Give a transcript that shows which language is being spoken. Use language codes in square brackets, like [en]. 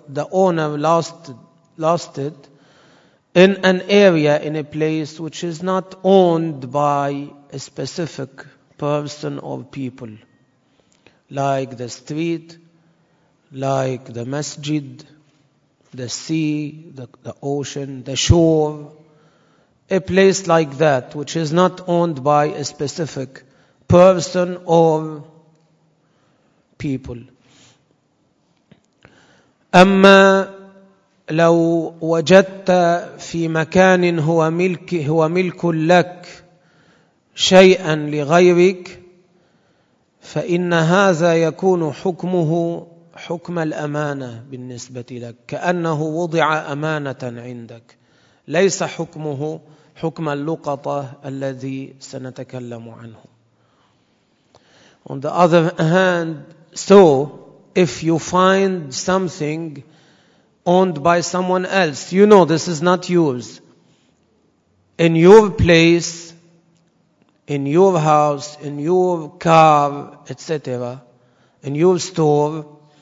[en] The owner lost it in an area, in a place which is not owned by a specific person or people, like the street, like the masjid, the sea, the ocean, the shore, a place like that which is not owned by a specific person or people. [ar] أما لو وجدت في مكان هو ملك لك شيئا لغيرك فإن هذا يكون حكمه حكم الأمانة بالنسبة لك، كأنه وضع أمانة عندك، ليس حكمه حكم اللقطة الذي سنتكلم عنه. [en] On the other hand, so if you find something owned by someone else, you know this is not yours, in your place, in your house, in your car, etc., in your store,